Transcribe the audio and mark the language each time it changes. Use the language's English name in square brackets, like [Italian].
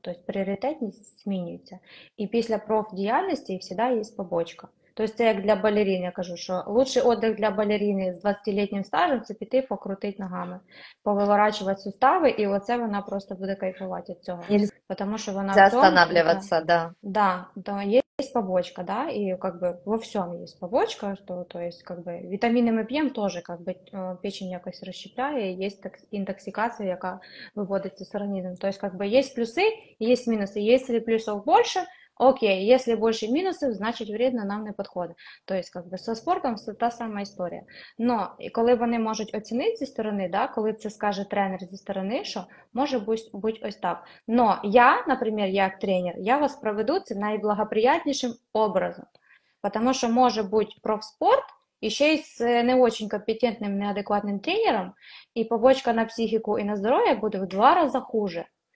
[Ukrainian] Тобто пріоритетність змінюється. І після профдіяльності завжди є побочка. Тобто, це як для балерин, я кажу, що лучший віддих для балерини з 20-літнім стажем це піти покрутити ногами, повиворачувати сустави, і оце вона просто буде кайфувати від цього. [Russian] Нельзя [Ukrainian] Тому що вона в цьому і так. [Russian] останавливаться, да. Да, то є побочка, да, і как бы во всем есть побочка, что, то есть, как бы, витамины мы пьем тоже, как бы, печень [Ukrainian] якось [Russian] расщепляет, есть так, интоксикация, [Ukrainian] яка [Russian] выводится с организмом. То есть, как бы, есть плюсы, есть минусы. Если плюсов больше, окей, если больше минусов, значит, вредно нам не подходит. То есть, как бы, со спортом все та сама история. [Ukrainian] Но, и коли вони можуть оцінити зі сторони, да, коли це скаже тренер зі сторони, що може бути ось так. Но я, наприклад, як тренер, я вас проведу це найблагоприятнішим образом. Тому що може бути профспорт, і ще й з [Russian] не очень [Ukrainian] компетентним, неадекватним тренером, і побочка на психіку і на здоров'я буде в 2 рази [Russian] хуже.